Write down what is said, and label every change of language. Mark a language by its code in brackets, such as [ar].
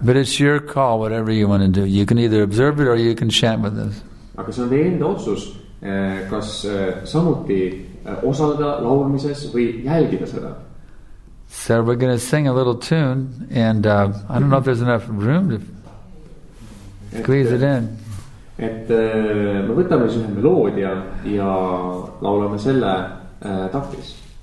[en] But it's your call, whatever you want to do. You can either observe it or you can chant with us. [et] Aga see on teie enda otsus, kas samuti osalda laulmises või jälgida seda. [en] So we're going to sing a little tune, and I don't know if there's enough room to squeeze it in. [et] Me võtame siin meloodia ja laulame selle taktis.